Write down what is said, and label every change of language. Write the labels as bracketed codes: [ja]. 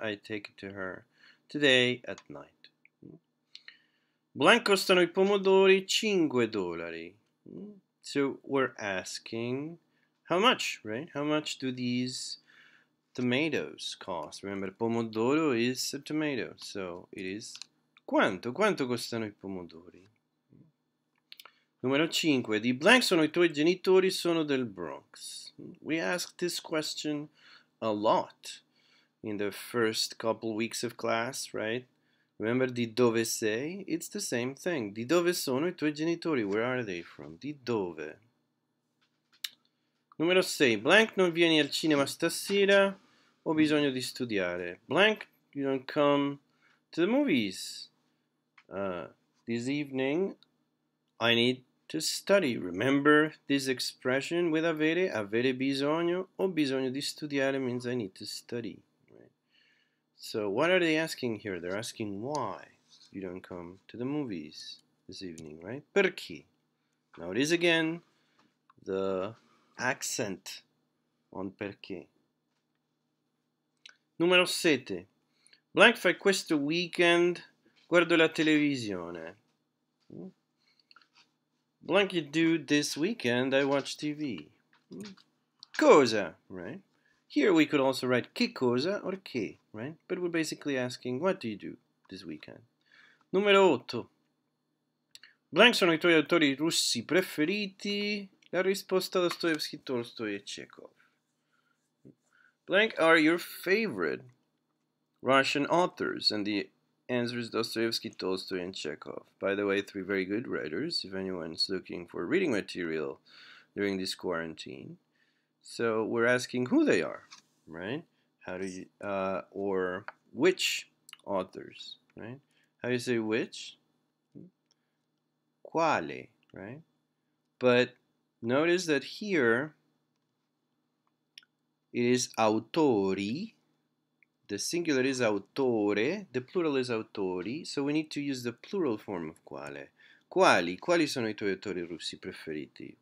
[en] I take it to her today at night. Blank [it] costano I pomodori [en] $5. So we're asking how much, right? How much do these tomatoes cost? Remember, pomodoro is a tomato. So it is quanto? [it] Quanto costano I pomodori? Numero 5. Di blank sono I tuoi genitori, sono del Bronx. [en] We ask this question a lot in the first couple weeks of class, right? Remember, [it] di dove sei? [en] It's the same thing. [it] Di dove sono I tuoi genitori? [en] Where are they from? [it] Di dove? Numero 6. Blank, non vieni al cinema stasera? Ho bisogno di studiare. [en] Blank, you don't come to the movies this evening. I need to study. Remember this expression with avere, [it] avere bisogno, o bisogno di studiare [en] means I need to study. Right? So what are they asking here? They're asking why you don't come to the movies this evening, right? Perché? Now it is again the accent on perché. [it] Numero 7. Blank fai questo weekend, guardo la televisione. [en] Blank you do this weekend, I watch TV. Cosa, right? Here we could also write che cosa or che, right? But we're basically asking, what do you do this weekend? [it] Numero 8. Blank sono I tuoi autori russi preferiti. La risposta da Dostoevsky, Tolstoy e Chekhov. [en] Blank are your favorite Russian authors, and the answer is Dostoevsky, Tolstoy, and Chekhov. By the way, three very good writers, if anyone's looking for reading material during this quarantine. So we're asking who they are, right? How do you, or which authors, right? How do you say which? Quale, right? But notice that here, it is autori. The singular is autore. The plural is autori. So we need to use the plural form of quale. [it] Quali? Quali sono I tuoi autori russi preferiti?